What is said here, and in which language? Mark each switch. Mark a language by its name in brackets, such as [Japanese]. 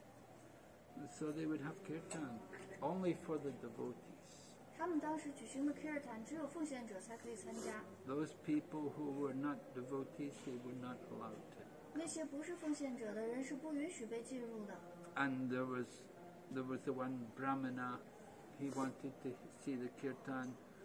[English] So they would have kirtan only for the devotees. [Chinese] 他们当时举行的kirtan只有奉献者才可以参加. [English] Those people who were not devotees, they were not allowed to. [Chinese] 那些不是奉献者的人是不允许被进入的. [English] And there was the one brahmana, he wanted to see the kirtan.